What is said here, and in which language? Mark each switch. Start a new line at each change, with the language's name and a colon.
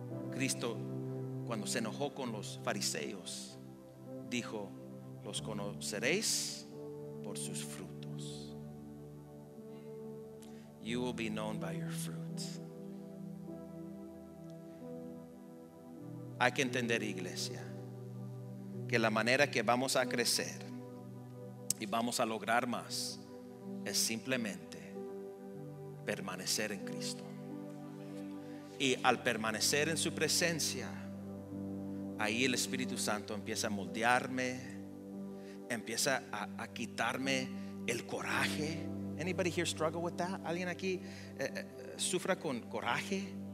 Spanish: Cristo, cuando se enojó con los fariseos, dijo, los conoceréis por sus frutos.
English: You will be known by your fruits.
Spanish: Hay que entender, iglesia, que la manera que vamos a crecer y vamos a lograr más es simplemente permanecer en Cristo. Y al permanecer en su presencia, ahí el Espíritu Santo empieza a moldearme, empieza a quitarme el coraje.
English: Anybody here struggle with that?
Spanish: ¿Alguien aquí sufra con coraje?